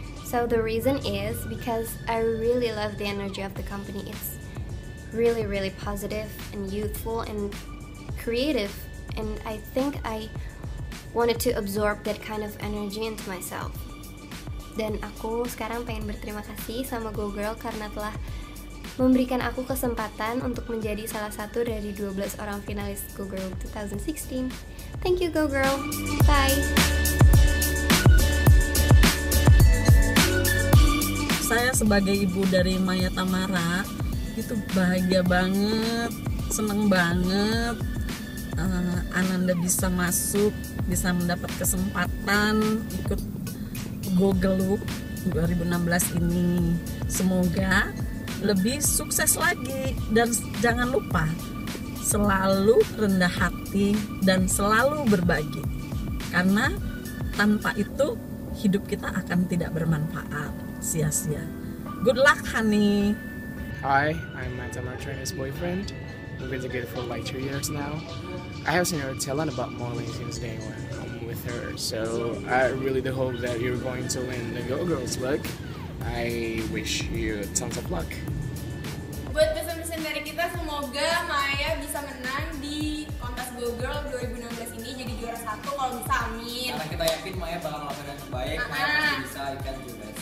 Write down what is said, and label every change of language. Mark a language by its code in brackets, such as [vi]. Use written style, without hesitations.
[en] So the reason is because I really love the energy of the company. It's really really positive and youthful and creative, and I think I wanted to absorb that kind of energy into myself. [id] Dan aku sekarang pengen berterima kasih sama GoGirl karena telah memberikan aku kesempatan untuk menjadi salah satu dari 12 orang finalis GoGirl 2016. [en] Thank you GoGirl. Bye. [id] saya sebagai ibu dari Maya Tamara itu bahagia banget, seneng banget Ananda bisa masuk, bisa mendapat kesempatan ikut Gogeluk 2016 ini. Semoga lebih sukses lagi, dan jangan lupa selalu rendah hati dan selalu berbagi, karena tanpa itu hidup kita akan tidak bermanfaat, sia-sia. [en] Good luck, honey. Hi, I'm Maya Tamara Trainer's boyfriend. We've been together for like 2 years now. I have seen her tell on about modeling since day one. I'm with her, so I really do hope that you're going to win the Go Girls look. I wish you tons of luck. [id] Buat pesan-pesan dari kita, semoga Maya bisa menang di kontes Go Girl 2016 ini, jadi juara satu kalau bisa, amin. Karena kita yakin Maya bakal melakukan yang terbaik, Maya pasti bisa ikat juga.